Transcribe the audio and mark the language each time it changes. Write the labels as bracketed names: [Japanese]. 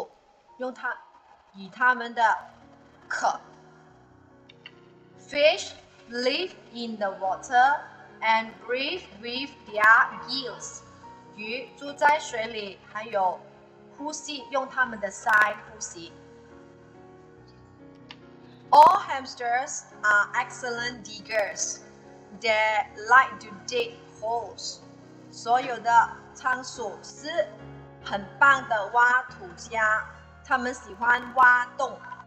[Chinese] 乌龟被保护，以它们的壳. [English] Fish live in the water and breathe with their gills. [Chinese] 鱼住在水里，还有呼吸，用它们的鳃呼吸. [English] All hamsters are excellent diggers. They like to dig holes. [Chinese] 所有的仓鼠是很棒的挖土家，它们喜欢挖洞。